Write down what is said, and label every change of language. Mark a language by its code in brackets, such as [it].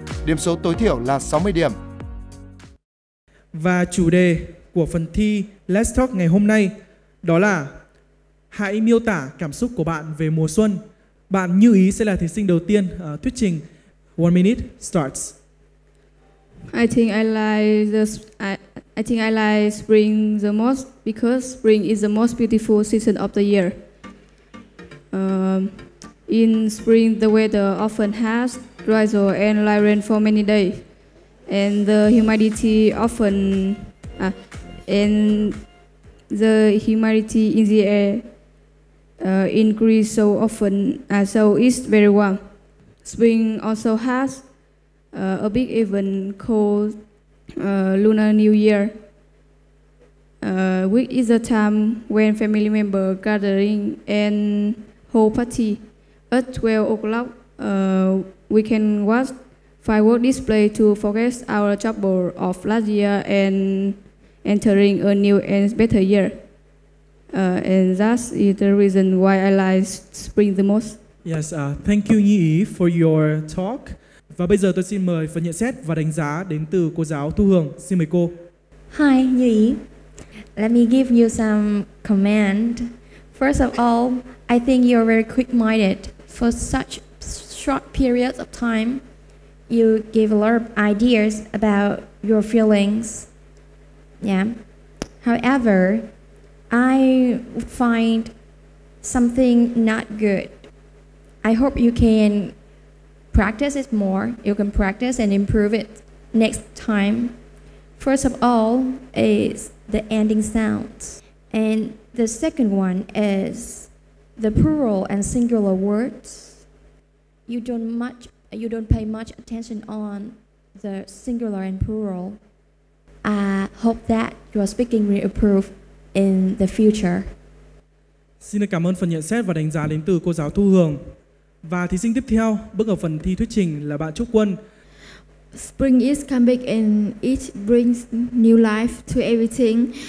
[vi] Điểm số tối thiểu là 60 điểm. Và chủ đề của phần thi Let's Talk ngày hôm nay đó là hãy miêu tả cảm xúc của bạn về mùa xuân. Bạn Như Ý sẽ là thí sinh đầu tiên thuyết trình. [en] 1 minute starts. I think I like spring the most because spring is the most beautiful season of the year. In spring, the weather often has drizzle and light rain for many days, and the humidity often increases so often. So it's very warm. Spring also has a big event called Lunar New Year, which is a time when family members gathering and whole party. At 12 o'clock, we can watch fireworks display to forget our trouble of last year and entering a new and better year. And that is the reason why I like spring the most. Yes, thank you Nhi Ý for your talk. [vi] Và bây giờ tôi xin mời phần nhận xét và đánh giá đến từ cô giáo Thu Hương. Xin mời cô. [en] Hi, Nhi Ý. Let me give you some comment. First of all, I think you're very quick-minded. For such short periods of time, you give a lot of ideas about your feelings. Yeah. However, I find something not good. I hope you can practice it more. You can practice and improve it next time. First of all is the ending sounds. And the second one is the plural and singular words. You don't pay much attention on the singular and plural. I hope that your speaking will improve in the future. [vi] Xin cảm ơn phần nhận xét và đánh giá đến từ cô giáo Thu Hương. Và thí sinh tiếp theo bước vào phần thi thuyết trình là bạn Chúc Quân. [en] Spring is coming and it brings new life to everything.